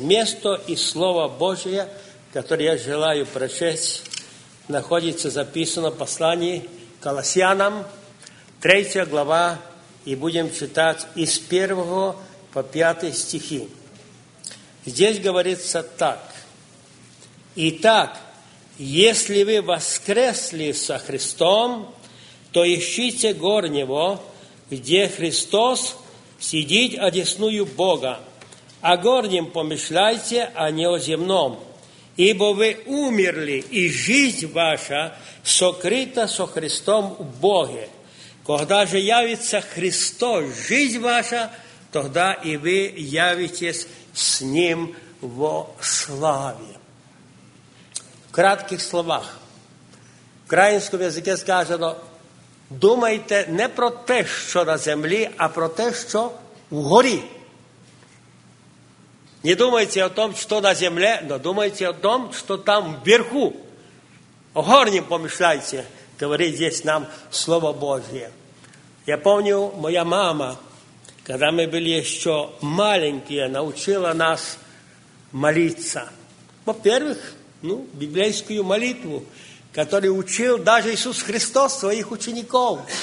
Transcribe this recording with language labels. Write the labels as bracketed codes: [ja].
[uk] Місто і Слово Божие, котре я желаю прочесть, знаходиться записано в посланні Колосянам, 3 глава, і будемо читати із 1-5 стихи. [ru] Здесь говорится так. Итак, если вы воскресли со Христом, то ищите горнего, где Христос сидит одесную Бога. О горнем помышляйте, а не о земном. Ибо вы умерли, и жизнь ваша сокрыта со Христом в Боге. Когда же явится Христос, жизнь ваша, тогда и вы явитесь с Ним во славе. В кратких словах. [uk] В українському языке сказано, думайте не про те, що на землі, а про те, що вгорі. [ru] Не думайте о том, [uk] що на землі, [ru] но думайте о том, [uk] що там вверху. [ru] О горнім помішляйте, говорить здесь нам Слово Божие. Я помню, моя мама, когда мы были еще маленькие, научила нас молиться. Во-первых, ну, библейскую молитву, которую учил даже Иисус Христос своих учеников.